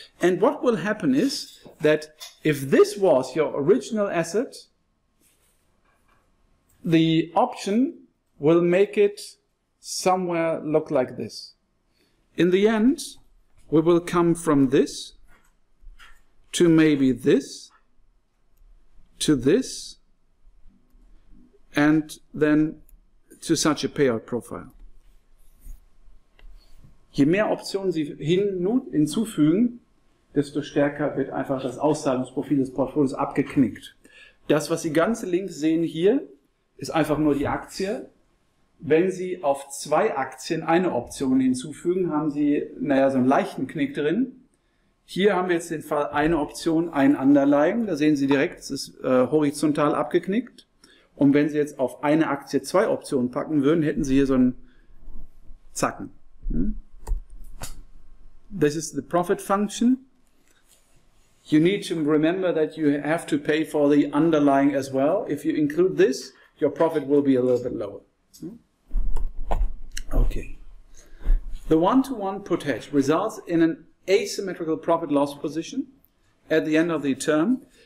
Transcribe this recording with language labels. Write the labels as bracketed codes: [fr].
[en] And what will happen is that if this was your original asset, the option will make it somewhere look like this. In the end, we will come from this to maybe this, to this, and then to such a payout profile. [de] Je mehr Optionen Sie hinzufügen, desto stärker wird einfach das Auszahlungsprofil des Portfolios abgeknickt. Das, was Sie ganz links sehen hier, ist einfach nur die Aktie. Wenn Sie auf zwei Aktien eine Option hinzufügen, haben Sie, naja, so einen leichten Knick drin. Hier haben wir jetzt den Fall eine Option, ein Underlying. Da sehen Sie direkt, es ist horizontal abgeknickt. Und wenn Sie jetzt auf eine Aktie zwei Optionen packen würden, hätten Sie hier so einen Zacken. [en] This is the profit function. You need to remember that you have to pay for the underlying as well. If you include this, your profit will be a little bit lower. Okay. The one-to-one put hedge results in an asymmetrical profit loss position at the end of the term.